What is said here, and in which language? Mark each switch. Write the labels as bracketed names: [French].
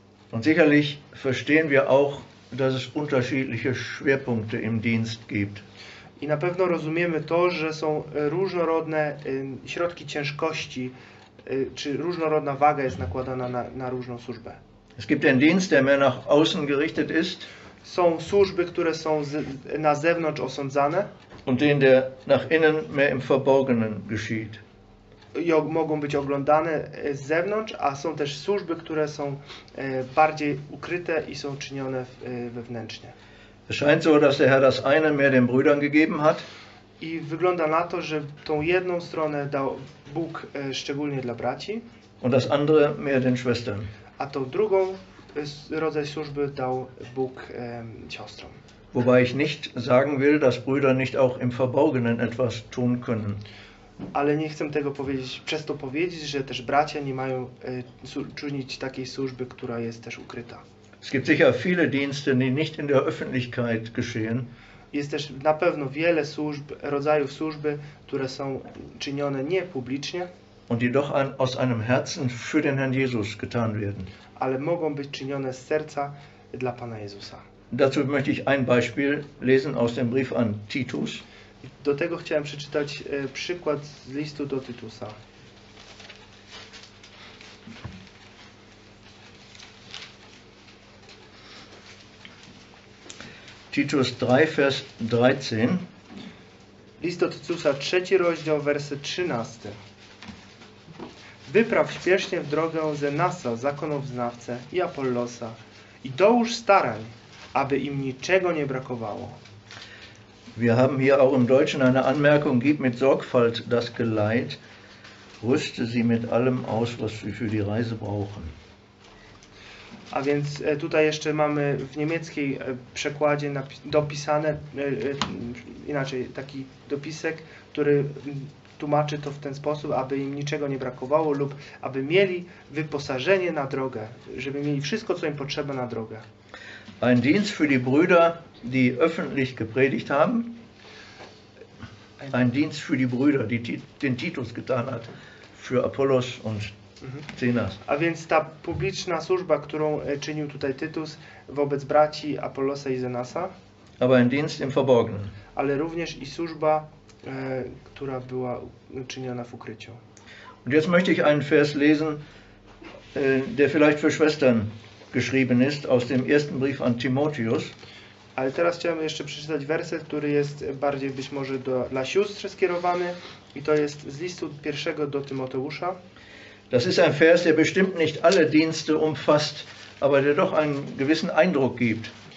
[German] Und sicherlich verstehen wir auch, dass es unterschiedliche Schwerpunkte im Dienst gibt. [Polish] I na pewno rozumiemy to, że są różnorodne środki ciężkości, czy różnorodna waga jest nakładana na różną służbę. [German] Es gibt den Dienst, der mehr nach außen gerichtet ist. [Polish] Są służby, które są na zewnątrz osądzane. [German] Und den, der nach innen mehr im Verborgenen geschieht. [Polish] I mogą być oglądane z zewnątrz, a są też służby, które są bardziej ukryte i są czynione wewnętrznie. [German] Es scheint so, dass der Herr das eine mehr den Brüdern gegeben hat. [Polish] I wygląda na to, że tą jedną stronę dał Bóg szczególnie dla braci. [German] Und das andere mehr den Schwestern. [Polish] A tą drugą rodzaj służby dał Bóg siostrom. [German] Wobei ich nicht sagen will, dass Brüder nicht auch im Verborgenen etwas tun können. [Polish] Ale nie chcę tego powiedzieć, przez to powiedzieć, że też bracia nie mają czynić takiej służby, która jest też ukryta. [German] Es gibt sicher viele Dienste, die nicht in der Öffentlichkeit geschehen. [Polish] Jest też na pewno wiele służb, rodzajów służby, które są czynione nie publicznie. [German] Und die doch aus einem Herzen für den Herrn Jesus getan werden. [Polish] Ale mogą być czynione z serca dla Pana Jezusa. [German] Dazu möchte ich ein Beispiel lesen aus dem Brief an Titus. [Polish] Do tego chciałem przeczytać przykład z listu do Tytusa. [German] Titus 3, Vers 13. [Polish] List do Tytusa, 3 rozdział, werset 13. Wypraw śpiesznie w drogę Zenasa, zakonoznawcę, i Apollosa, i dołóż starań, aby im niczego nie brakowało. [German] Wir haben hier auch im Deutschen eine Anmerkung: Gib mit Sorgfalt das Geleit, rüste sie mit allem aus, was sie für die Reise brauchen. [Polish] A więc tutaj jeszcze mamy w niemieckiej przekładzie dopisane, inaczej taki dopisek, który tłumaczy to w ten sposób, aby im niczego nie brakowało lub aby mieli wyposażenie na drogę, żeby mieli wszystko, co im potrzeba na drogę. [German] Ein Dienst für die Brüder, die öffentlich gepredigt haben. Ein Dienst für die Brüder, die den Titus getan hat, für Apollos und Zenas. [Polish] A więc ta publiczna służba, którą czynił tutaj Tytus wobec braci Apollosa i Zenasa. [German] Aber ein Dienst im Verborgenen. [Polish] Ale również i służba, która była czyniona w ukryciu. [German] Und jetzt möchte ich einen Vers lesen, der vielleicht für Schwestern geschrieben ist, aus dem ersten Brief an Timotheus. [Polish] Ale teraz chciałem jeszcze przeczytać werset, który jest bardziej być może dla sióstr skierowany. I to jest z listu pierwszego do Tymoteusza. [German] Das ist ein Vers, der bestimmt nicht alle Dienste umfasst, aber der doch einen gewissen Eindruck gibt.